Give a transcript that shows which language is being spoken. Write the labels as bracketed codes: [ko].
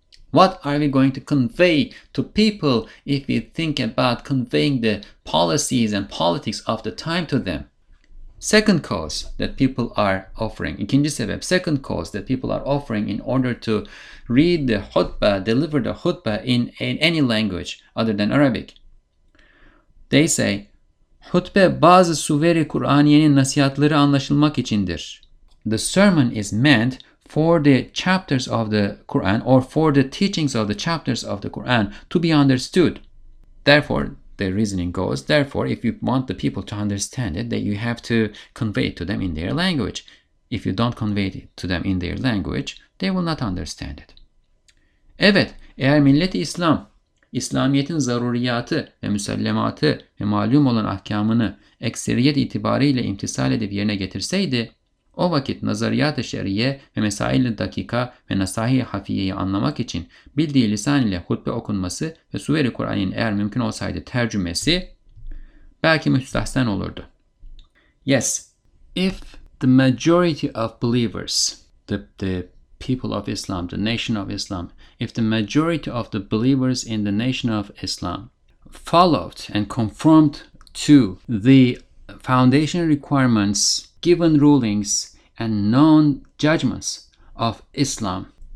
[en] What are we going to convey to people if we think about conveying the policies and politics of the time to them? Second cause that people are offering, [tr] ikinci sebep, [en] second cause that people are offering in order to read the khutbah, deliver the khutbah in any language other than Arabic. They say, [tr] hutbe bazı süveri Kur'aniyenin nasihatleri anlaşılmak içindir. [en] The sermon is meant for the chapters of the Quran or for the teachings of the chapters of the Quran to be understood. Therefore, the reasoning goes, therefore, if you want the people to understand it, that you have to convey it to them in their language. If you don't convey it to them in their language, they will not understand it. [tr] Evet, eğer milleti İslam, İslamiyet'in zaruriyatı ve müsellematı ve malum olan ahkamını ekseriyet itibariyle imtisal edip yerine getirseydi, o vakit nazariyat-ı şer'iye ve mesail-i dakika ve nasahi-i hafiyeyi anlamak için bildiği lisan ile hutbe okunması ve suveri Kur'an'ın eğer mümkün olsaydı tercümesi belki müstahsen olurdu. [en] Yes, if the majority of believers, the people of Islam, the nation of Islam, if the majority of the believers in the nation of Islam followed and conformed to the foundation requirements, given rulings and known judgments of Islam.